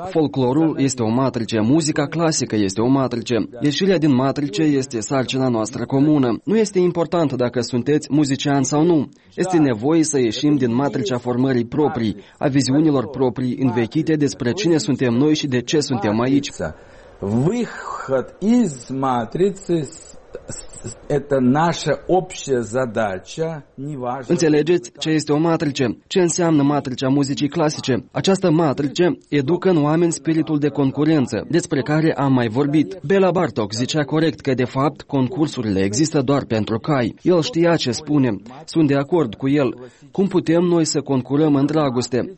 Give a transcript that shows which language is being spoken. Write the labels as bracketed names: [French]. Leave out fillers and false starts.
[Romanian] Folclorul este o matrice, muzica clasică este o matrice. Ieșirea din matrice este sarcina noastră comună. Nu este important dacă sunteți muzician sau nu. Este nevoie să ieșim din matricea formării proprii, a viziunilor proprii învechite despre cine suntem noi și de ce suntem aici. [Russian] Выход из матрицы это наша общая задача, неважно. [Romanian] Înțelegeți ce este o matrice? Ce înseamnă matricea muzicii clasice? Această matrice educă în oameni spiritul de concurență, despre care am mai vorbit. Béla Bartók zicea corect că, de fapt, concursurile există doar pentru cai. El știa ce spune. Sunt de acord cu el. Cum putem noi să concurăm în dragoste?